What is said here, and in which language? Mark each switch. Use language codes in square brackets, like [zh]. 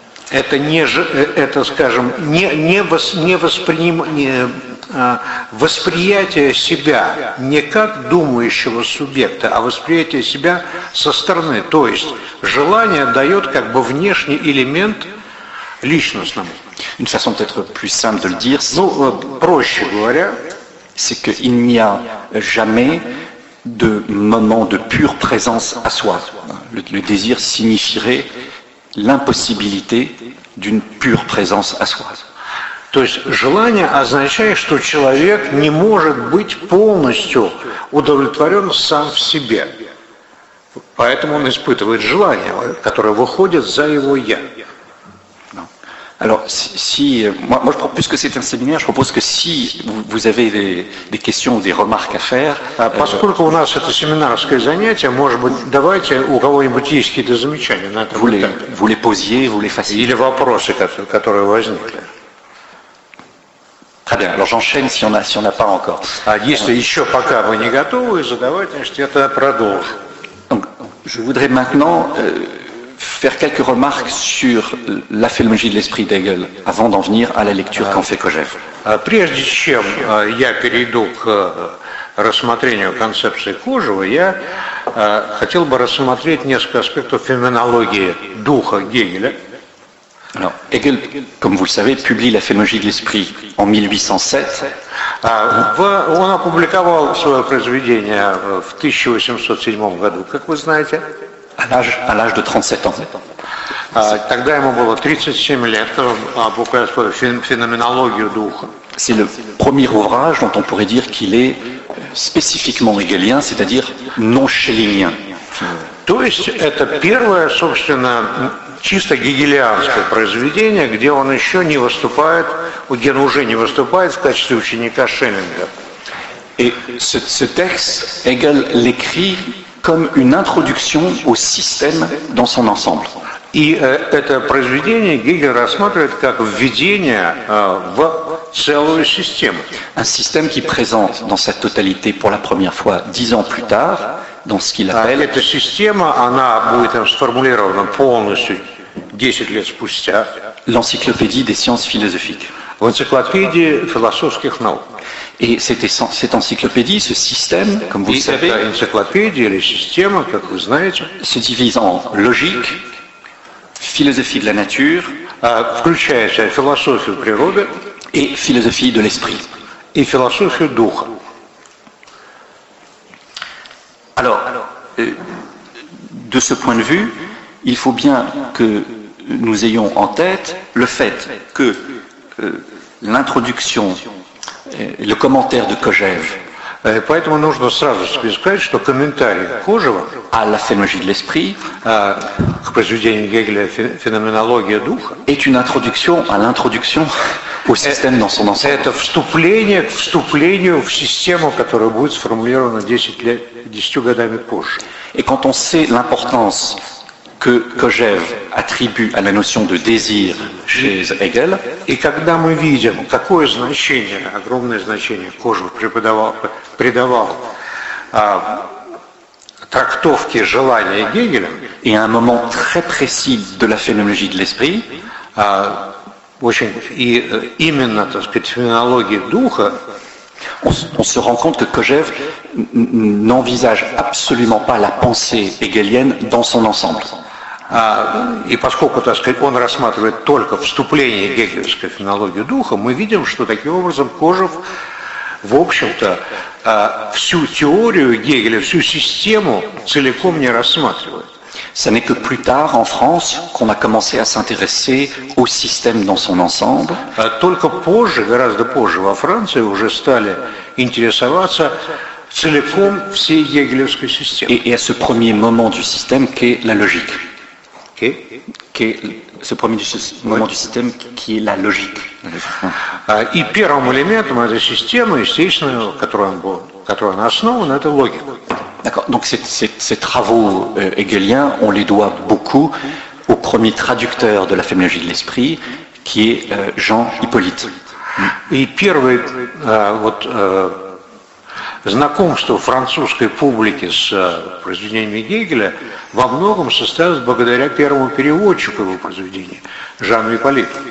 [ru] Это не, это, скажем, не восприним, не, восприятие себя не как думающего субъекта, а восприятие себя со стороны. То есть желание дает как бы внешний элемент личностному. [fr] Une façon peut-être plus simple de le dire, [ru] ну, проще говоря, [fr] c'est qu'il n'y a jamais de moment de pure présence à soi. Le désir signifierait l'impossibilité d'une pure présence à soi. [ru] То есть желание означает, что человек не может быть полностью удовлетворен сам в себе. Поэтому он испытывает желание, которое выходит за его я. [fr] Alors, si moi, puisque c'est un séminaire, je propose que si vous avez des questions ou des remarques à faire... [ru] Поскольку у нас это семинарское занятие, может быть, давайте, у кого-нибудь есть какие-то замечания на этом этапе. [fr] Vous les posiez, vous les fassiez. [ru] Или вопросы, которые возникли. [fr] Très bien, alors j'enchaîne si on n'a pas encore. [ru] Если еще пока вы не готовы задавать, значит, я тогда продолжу. [fr] Donc, je voudrais maintenant... faire quelques remarques sur la philologie de l'esprit d'Hegel avant d'en venir à la lecture qu'en fait Kojève. [ru] Прежде чем я перейду к рассмотрению концепции Кожева, я хотел бы рассмотреть несколько аспектов феноменологии духа Гегеля. [fr] Alors, Hegel, comme vous le savez, publie la philologie de l'esprit en 1807. [ru] Он опубликовал свое произведение в 1807 году, как вы знаете. [fr] À l'âge de 37 ans. [ru] Тогда ему было 37 лет, феноменологию духа. [fr] C'est le premier ouvrage dont on pourrait dire qu'il est spécifiquement hegelien, c'est-à-dire non schellingien. [ru] То есть это первое, собственно, чисто гегелианское произведение, где он еще не выступает, где он уже не выступает в качестве ученика Шеллинга. [fr] Et ce texte, Hegel l'écrit comme une introduction au système dans son ensemble. [ru] Это произведение Гегель рассматривает как введение в целую систему. [fr] Un système qui présente dans sa totalité pour la première fois 10 ans plus tard, dans ce qu'il appelle... [ru] Эта система, она будет сформулирована полностью 10 лет спустя. [fr] L'encyclopédie des sciences philosophiques. [ru] В энциклопедии философских наук. [fr] Et cette encyclopédie, ce système, comme vous le savez, se divise en logique, philosophie de la nature, philosophie [ru] природы, [fr] et philosophie de l'esprit. Et philosophie [ru] духа. [fr] Alors, de ce point de vue, il faut bien que nous ayons en tête le fait que l'introduction... Le commentaire de Kojève. [ru] Поэтому нужно сразу сказать, что комментарий Кожева [fr] à la phénoménologie de l'esprit, [ru] к произведению Гегеля «Феноменология духа», [fr] est une introduction à l'introduction au système dans son ensemble. [ru] Это вступление к вступлению в систему, которая будет сформулирована 10 годами позже. [fr] Et quand on sait l'importance que Kojève attribue à la notion de désir chez Hegel. Et quand nous voyons quel [ru] значение, огромное значение Кожев придавал трактовке желания Гегеля, [fr] et à un moment très précis de la phénoménologie de l'esprit, [ru] именно, так сказать, феноменологии духа, [fr] on se rend compte que Kojève n'envisage absolument pas la pensée hegelienne dans son ensemble. [ru] И поскольку, так сказать, он рассматривает только вступление гегелевской феноменологии духа, мы видим, что таким образом Кожев в общем-то, всю теорию Гегеля, всю систему целиком не рассматривает. [fr] Ce n'est que plus tard en France qu'on a commencé à s'intéresser au système dans son ensemble. [ru] Только позже, гораздо позже, во Франции уже стали интересоваться целиком всей гегелевской системой. [fr] Et à ce premier moment du système qu'est la logique. Qu'est ce premier moment du système qui est la logique. [ru] И первым элементом этой системы, естественно, которой она основана, это логика. [fr] D'accord. Donc ces travaux hegeliens, on les doit beaucoup au premier traducteur de la phénoménologie de l'esprit, qui est Jean Hippolyte. [ru] Et первое вот знакомство французской публики с произведениями Гегеля во многом состоялось благодаря первому переводчику его произведения, Жану Ипполиту.